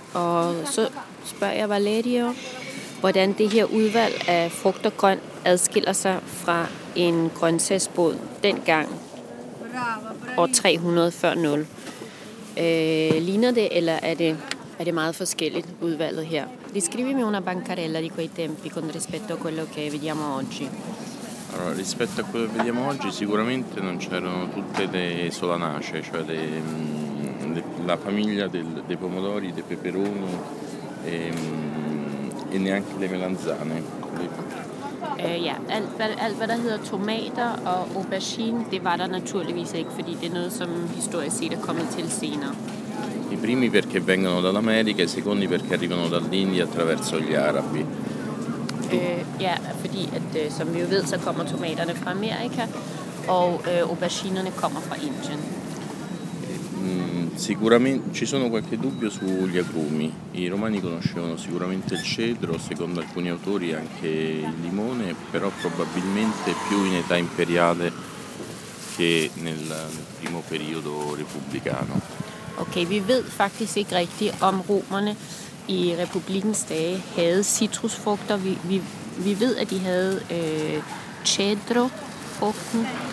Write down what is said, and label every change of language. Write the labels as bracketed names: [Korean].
[Danish] Og så spørger jeg Valerio, hvordan det her udvalg af frugt og grønt adskiller sig fra en grøntsagsbod dengang, år 300 før 0. Ligner det, eller er det meget forskelligt udvalget her? [Italian] Descrivimi una bancarella di quei tempi con rispetto a quello che vediamo oggi. Allora, rispetto a quello che vediamo oggi, sicuramente non c'erano tutte le solanacee, cioè la famiglia dei pomodori, dei peperoni e neanche le melanzane. [Danish] Ja, alt hvad der hedder tomater og aubergine, det var der naturligvis ikke, fordi det er noget, som historisk set er kommet til senere. [Italian] I primi perché vengono dall'America, i secondi perché arrivano dall'India attraverso gli arabi. [Danish] Ja, fordi at som vi jo ved, så kommer tomaterne fra Amerika, og auberginerne kommer fra Indien. [Italian] Sicuramente ci sono qualche dubbio sugli agrumi. I romani conoscevano sicuramente il cedro, secondo alcuni autori anche il limone, però probabilmente più in età imperiale che nel primo periodo repubblicano. [Danish] Ok, vi ved faktisk ikke rigtigt om romerne i republikkens dage havde citrusfrugter. Vi ved, at de havde cedrofrugten.